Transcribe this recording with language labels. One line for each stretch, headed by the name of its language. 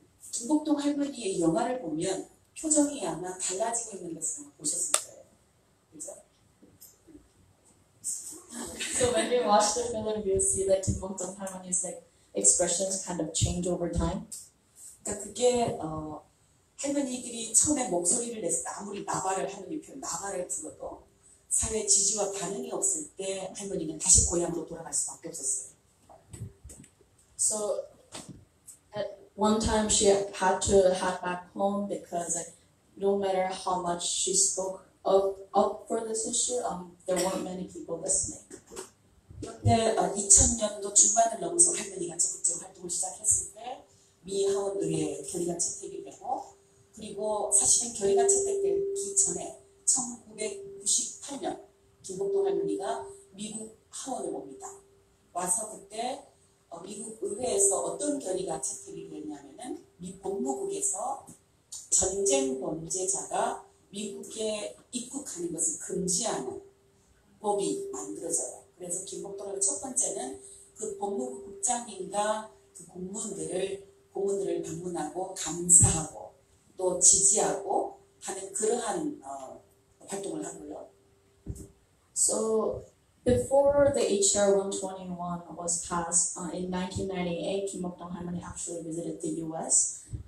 Korean: 김복동 할머니의 영화를 보면 표정이 아마 달라지고 있는 것을 보셨을 거예요. 그죠?
English: So when you watch the film, you see that 김복동 할머니's like expressions kind of change over time.
Korean: 그러니까 그게 할머니들이 처음에 목소리를 냈을 때 아무리 나발을 할머니 표현 나발을 불어도 사회 지지와 반응이 없을 때 할머니는 다시 고향으로 돌아갈 수밖에 없었어요.
English: So at one time she had to head back home because no matter how much she spoke up for this issue, there weren't many people listening.
Korean: 그런데 2000년도 중반을 넘어서 할머니가 적극적으로 활동을 시작했을 때 미하원 의회 결의가 채택이 되고 그리고 사실은 결의가 채택되기 전에 1998년 김복동 할머니가 미국 하원을 옵니다. 와서 그때 미국 의회에서 어떤 결의가 채택이 되었냐면은 미 법무국에서 전쟁범죄자가 미국에 입국하는 것을 금지하는 법이 만들어져요. 그래서 김복동의 첫 번째는 그 법무부 국장님과 그 공무원들을 방문하고 감사하고 또 지지하고 하는 그러한 활동을 하고요.
English: So before the HR 121 was passed in 1998, Kim Bok Dong Harmony actually visited the U.S.